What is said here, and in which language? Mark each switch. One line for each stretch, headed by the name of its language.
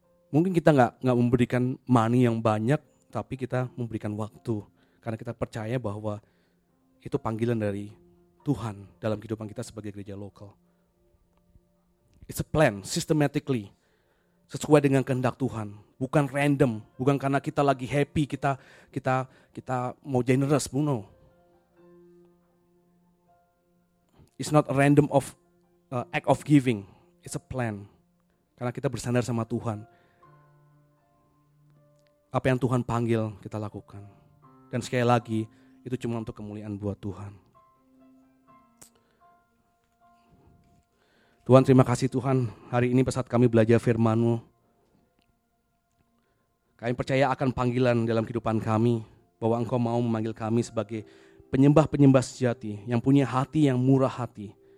Indonesian: Mungkin kita enggak memberikan money yang banyak, tapi kita memberikan waktu karena kita percaya bahwa itu panggilan dari Tuhan dalam kehidupan kita sebagai gereja lokal.
English: It's a plan systematically.
Indonesian: Sesuai dengan kehendak Tuhan, bukan random, bukan karena kita lagi happy, kita mau generous, no.
English: It's not a random of act of giving, it's a plan.
Indonesian: Karena kita bersandar sama Tuhan. Apa yang Tuhan panggil, kita lakukan. Dan sekali lagi, itu cuma untuk kemuliaan buat Tuhan. Tuhan, terima kasih Tuhan, hari ini saat kami belajar firman-Mu, kami percaya akan panggilan dalam kehidupan kami, bahwa Engkau mau memanggil kami sebagai penyembah-penyembah sejati, yang punya hati yang murah hati.